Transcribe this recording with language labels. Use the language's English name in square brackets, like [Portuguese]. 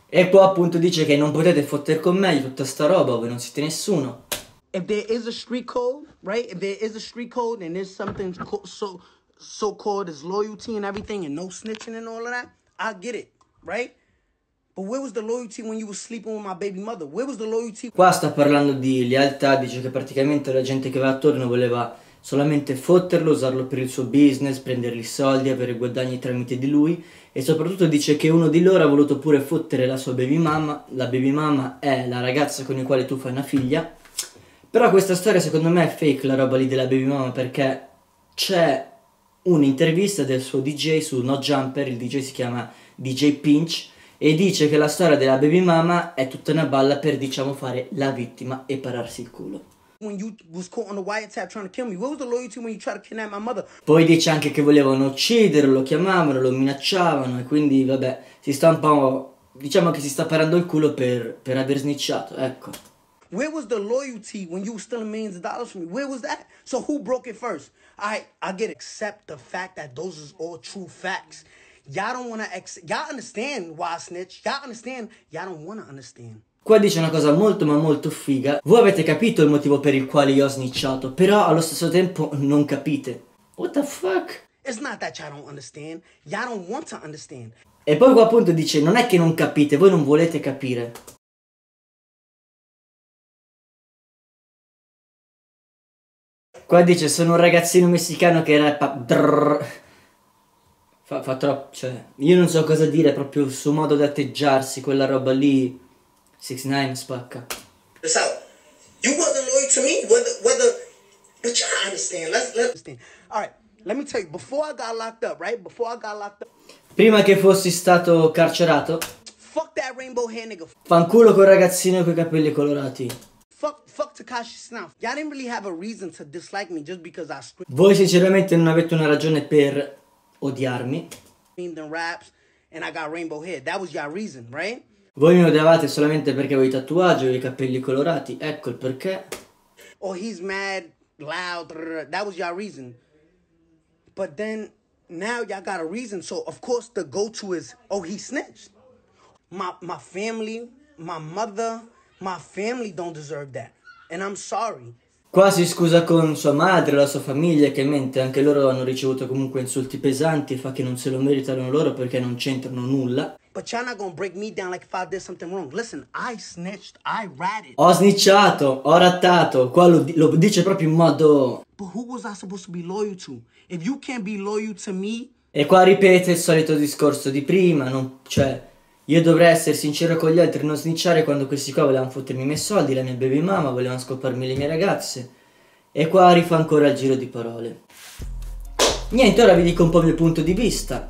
[Italian] E qua appunto dice che non potete fotter con me tutta sta roba, voi non siete nessuno. [English] If there is a street code, right? If there is a street code and there's something so-called as loyalty and everything and no snitching and all of that, I get it, right? But where was the loyalty when you were sleeping with my baby mother? Where was the loyalty? [Italian] Qua sta parlando di lealtà, dice che praticamente la gente che va attorno voleva solamente fotterlo, usarlo per il suo business, prendergli soldi, avere guadagni tramite di lui. E soprattutto dice che uno di loro ha voluto pure fottere la sua baby mamma. La baby mamma è la ragazza con la quale tu fai una figlia. Però questa storia secondo me è fake, la roba lì della baby mamma, perché c'è un'intervista del suo DJ su No Jumper. Il DJ si chiama DJ Pinch e dice che la storia della baby mamma è tutta una balla per, diciamo, fare la vittima e pararsi il culo. [English] When you was caught on the wiretap trying to kill me, where was the loyalty when you tried to kidnap my mother? [Italian] Poi dice anche che volevano ucciderlo, lo chiamavano, lo minacciavano, e quindi vabbè, si sta un po', diciamo che si sta parando il culo per aver snitchato, ecco. [English] Where was the loyalty when you were stealing millions of dollars from me? Where was that? So who broke it first? I get accept the fact that those is all true facts. Y'all don't wanna y'all understand why I snitch. Y'all understand, y'all don't wanna understand. [Italian] Qua dice una cosa molto ma molto figa. Voi avete capito il motivo per il quale io ho snitchato, però allo stesso tempo non capite. [English] What the fuck? It's not that y'all don't understand. Y'all don't want to understand. [Italian] E poi qua appunto dice, non è che non capite, voi non volete capire. Qua dice, sono un ragazzino messicano che rappa. Fa troppo, cioè, io non so cosa dire, proprio il suo modo di atteggiarsi, quella roba lì. 6ix9ine spacca. [English] So, you wasn't loyal to me, but you understand. Let's understand. All right, let me tell you, before I got locked up, right? Before I got locked up. [Italian] Prima che fossi stato carcerato. [English] Fuck that rainbow hair nigga. [Italian] Fanculo quel ragazzino con i capelli colorati. [English] Fuck Tekashi Snuff. Y'all didn't really have a reason to dislike me just because I screamed. [Italian] Voi sinceramente non avete una ragione per odiarmi. [English] Screamed in raps and I got rainbow hair. That was your reason, right? [Italian] Voi mi odiavate solamente perché avevo i tatuaggi, avevo i capelli colorati, ecco il perché. [English] Oh, he's mad, loud, that was your reason. But then, now y'all got a reason, so of course the go-to is, oh, he snitched. My family, my mother, my family don't deserve that, and I'm sorry. [Italian] Qua si scusa con sua madre, la sua famiglia, che mente, anche loro hanno ricevuto comunque insulti pesanti, e fa che non se lo meritano loro perché non c'entrano nulla. [English] But y'all not gonna break me down like if I did something wrong. Listen, I snitched, I ratted. [Italian] Ho snitchato, ho rattato. Qua lo dice proprio in modo. [English] But who was I supposed to be loyal to? If you can't be loyal to me. [Italian] E qua ripete il solito discorso di prima, non, cioè, io dovrei essere sincero con gli altri e non snitchare quando questi qua volevano fottermi i miei soldi, la mia baby mama, volevano scoparmi le mie ragazze. E qua rifà ancora il giro di parole. Niente, ora vi dico un po' il mio punto di vista.